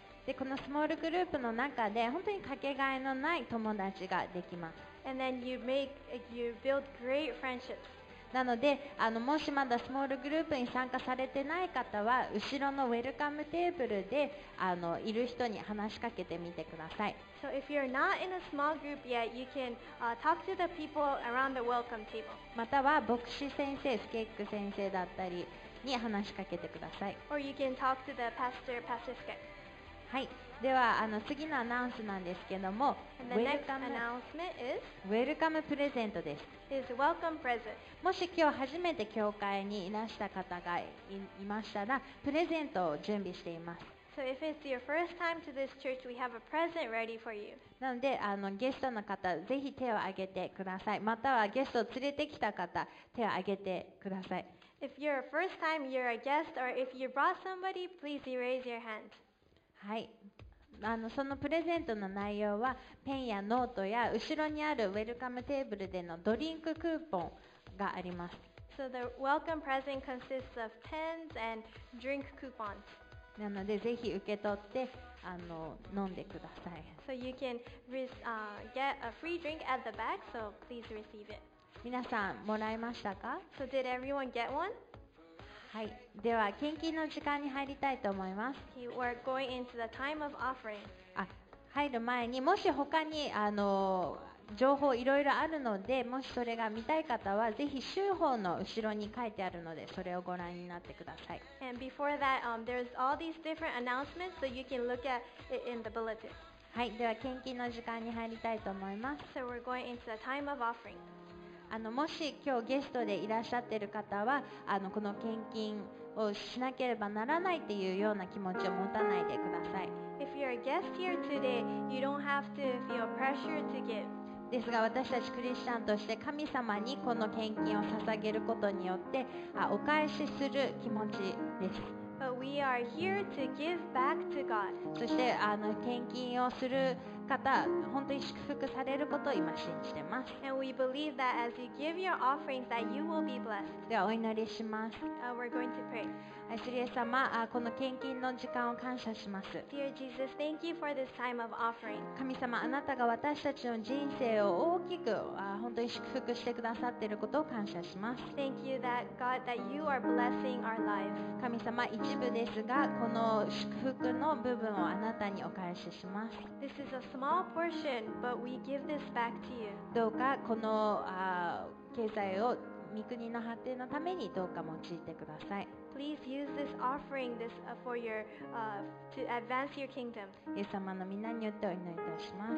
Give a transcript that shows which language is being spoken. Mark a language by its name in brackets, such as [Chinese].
[Japanese] で、このスモールグループの中で本当にかけがえのない友達ができます。 [English] And then you make, you build great friendships. [Japanese] なので、もしまだスモールグループに参加されてない方は、後ろのウェルカムテーブルでいる人に話しかけてみてください。 [English] So if you're not in a small group yet, you can talk to the people around the welcome table. [Japanese] または牧師先生、スケック先生だったりに話しかけてください。 [English] Or you can talk to the pastor, Pastor Skek. [Japanese] はい。では次のアナウンスなんですけども、ウェルカムプレゼントです。 [English] Is welcome present. [Japanese] もし今日初めて教会にいらした方が いましたら、プレゼントを準備しています。 [English] So if it's your first time to this church, we have a present ready for you. [Japanese] なのでゲストの方ぜひ手を挙げてください。またはゲストを連れてきた方手を挙げてください。 [English] If you're a first time, you're a guest, or if you brought somebody, please raise your hand. [Japanese] はい。そのプレゼントの内容はペンやノートや後ろにあるウェルカムテーブルでのドリンククーポンがあります。 [English] So the welcome present consists of pens and drink coupons. [Japanese] なのでぜひ受け取って飲んでください。 [English] So you can get a free drink at the back, so please receive it. [Japanese] 皆さんもらいましたか？ [English] So did everyone get one? [Japanese] はい、では献金の時間に入りたいと思います。 [English] Okay, we're going into the time of offering. [Japanese] 入る前にもし他に情報いろいろあるので、もしそれが見たい方はぜひ週報の後ろに書いてあるのでそれをご覧になってください。 [English] And before that, there's all these different announcements, so you can look at it in the bulletin. [Japanese] はい、では献金の時間に入りたいと思います。 [English] So we're going into the time of offering. [Japanese] もし今日ゲストでいらっしゃってる方はこの献金をしなければならないっていうような気持ちを持たないでください。 [English] If you're a guest here today, you don't have to feel pressure to give. [Japanese] ですが私たちクリスチャンとして神様にこの献金を捧げることによってお返しする気持ちです。 [English] But we are here to give back to God. [Japanese] そして献金をする方、本当に祝福されることを今信じてます。 [English] And we believe that as you give your offerings, that you will be blessed. [Japanese] ではお祈りします。 [English] We're going to pray. [Japanese] 愛する様、この献金の時間を感謝します。 [English] Dear Jesus, thank you for this time of offering. [Japanese] 神様、あなたが私たちの人生を大きく、本当に祝福してくださっていることを感謝します。 [English] Thank you that God, that you are blessing our lives. [Japanese] 神様、一部ですが、この祝福の部分をあなたにお返しします。 [English] This is a small portion, but we give this back to you. [Japanese] どうかこの、経済を御国の発展のためにどうか用いてください。 [English] Please use this offering this for your to advance your kingdom. [Japanese] イエス様の御名によってお祈りいたします。